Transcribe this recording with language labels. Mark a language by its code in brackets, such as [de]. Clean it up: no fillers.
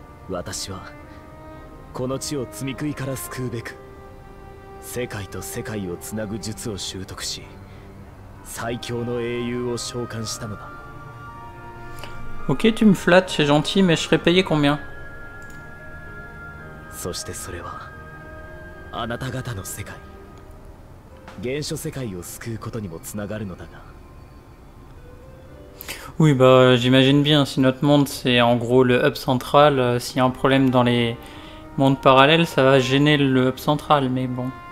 [ja] 私はこの地を罪喰いから救うべく、世界と世界をつなぐ術を習得し、最強の英雄を召喚したのだ。 [fr] Ok, tu me flattes, c'est gentil, mais je serais payé combien ? [ja] そしてそれはあなた方の世界、原初世界を救うことにもつながるのだが。 [fr] Oui, bah j'imagine bien. Si notre monde c'est en gros le hub central, s'il y a un problème dans les mondes parallèles, ça va gêner le hub central, mais bon.